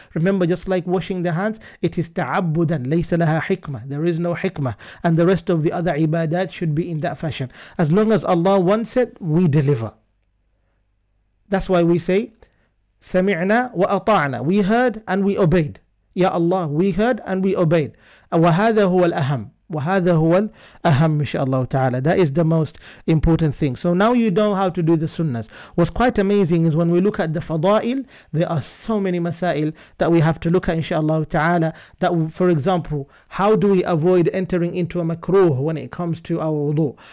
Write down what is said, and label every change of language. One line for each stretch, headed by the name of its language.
English: Remember, just like washing the hands, it is ta'abudan, laysa laha hikmah. There is no hikmah. And the rest of the other ibadat should be in that fashion. As long as Allah wants it, we deliver. That's why we say, sami'na wa ata'na. We heard and we obeyed. Ya Allah, we heard and we obeyed.
Arabic: وَهَذَا هُوَ الْأَهَمْ وَهَذَا هُوَ الْأَهَمْ inshaAllah ta'ala.
English: That is the most important thing. So now you know how to do the sunnahs. What's quite amazing is when we look at the fada'il, there are so many masail that we have to look at, inshaAllah ta'ala. That, for example, how do we avoid entering into a makruh when it comes to our wudu?